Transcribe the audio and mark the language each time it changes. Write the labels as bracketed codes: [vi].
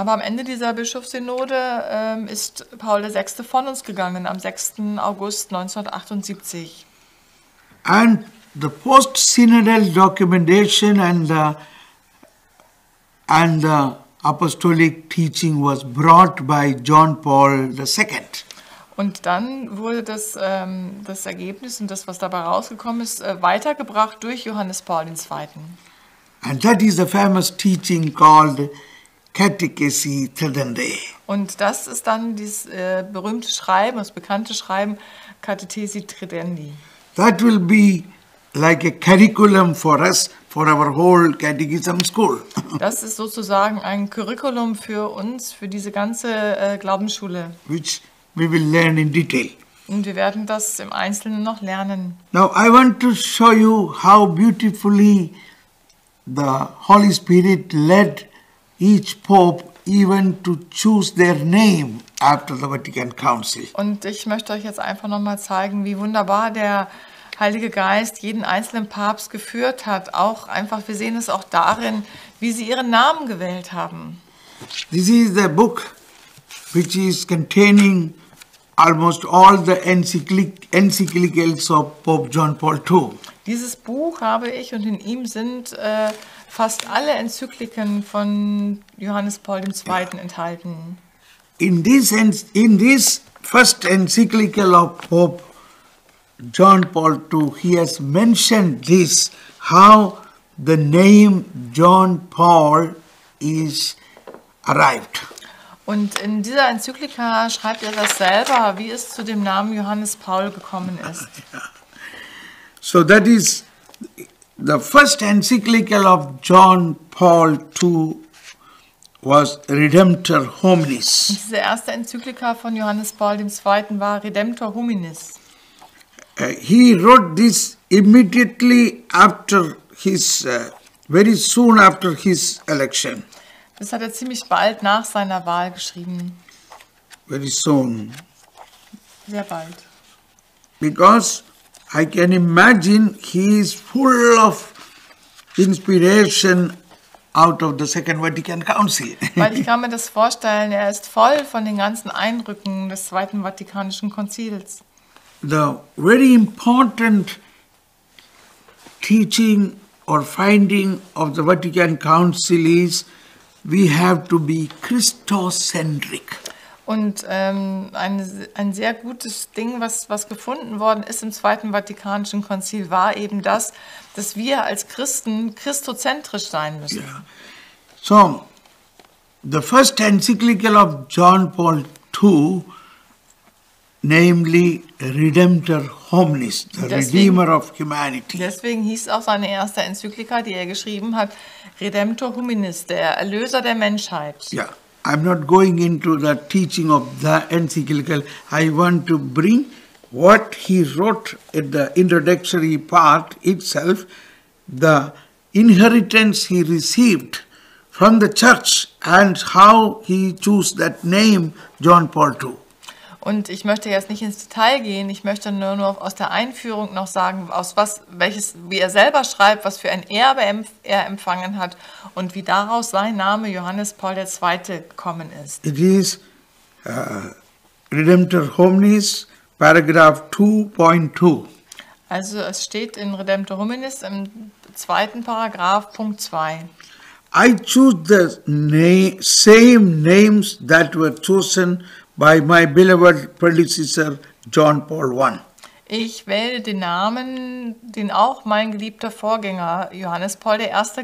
[de] Aber am Ende dieser Bischofssynode ist Paul VI von uns gegangen, am 6. August 1978. [en] And the post-synodal documentation and the apostolic teaching was brought by John Paul II. [de] Und dann wurde das Ergebnis und das, was dabei rausgekommen ist, weitergebracht durch Johannes Paul II. [en] And that is the famous teaching called catechesi till the day. [de] Und das ist dann dieses berühmte Schreiben, das bekannte Schreiben, Catechesi Tridendi. [en] That will be like a curriculum for us, for our whole catechism school. [de] Das ist sozusagen ein Curriculum für uns, für diese ganze Glaubensschule. [en] Which we will learn in detail. [de] Und wir werden das im Einzelnen noch lernen. [en] Now I want to show you how beautifully the Holy Spirit led each Pope even to choose their name after the Vatican Council. [de] Und ich möchte euch jetzt einfach nochmal zeigen, wie wunderbar der Heilige Geist jeden einzelnen Papst geführt hat. Auch einfach, wir sehen es auch darin, wie sie ihren Namen gewählt haben. [en] This is the book which is containing almost all the encyclicals of Pope John Paul II. [de] Dieses Buch habe ich und in ihm sind fast alle Enzykliken von Johannes Paul II. Yeah. enthalten. [en] In this first encyclical of Pope John Paul II, he has mentioned this, how the name John Paul is arrived. [de] Und in dieser Enzyklika schreibt er das selber, wie es zu dem Namen Johannes Paul gekommen ist. [en] So that is the first encyclical of John Paul II was Redemptor Hominis. [de] Diese erste Enzyklika von Johannes Paul II. War Redemptor Hominis. [en] He wrote this immediately after his, very soon after his election. [de] Das hat er ziemlich bald nach seiner Wahl geschrieben. [en] Very soon. [de] Sehr bald. [en] Because I can imagine he is full of inspiration out of the Second Vatican Council. [de] Weil ich kann mir das vorstellen, er ist voll von den ganzen Eindrücken des Zweiten Vatikanischen Konzils. [en] The very important teaching or finding of the Vatican Council is we have to be Christocentric. [de] Und ein sehr gutes Ding, was gefunden worden ist im Zweiten Vatikanischen Konzil, war eben das, dass wir als Christen christozentrisch sein müssen. Yeah. [en] So, the first encyclical of John Paul II, namely Redemptor Hominis, the Redeemer of Humanity. [de] Deswegen hieß auch seine erste Enzyklika, die er geschrieben hat, Redemptor Hominis, der Erlöser der Menschheit. [en] Yeah, I'm not going into the teaching of the encyclical. I want to bring what he wrote in the introductory part itself, the inheritance he received from the church and how he chose that name, John Paul II. [de] Und ich möchte jetzt nicht ins Detail gehen, ich möchte nur aus der Einführung noch sagen, wie er selber schreibt, was für ein Erbe er empfangen hat und wie daraus sein Name Johannes Paul II. Gekommen ist. [en] It is Redemptor Hominis, Paragraph 2.2. [de] Also es steht in Redemptor Hominis im zweiten Paragraph, Punkt 2. [en] I choose the same names that were chosen by my beloved predecessor John Paul I. [de] Ich wähle den Namen, den auch mein geliebter Vorgänger Johannes Paul I.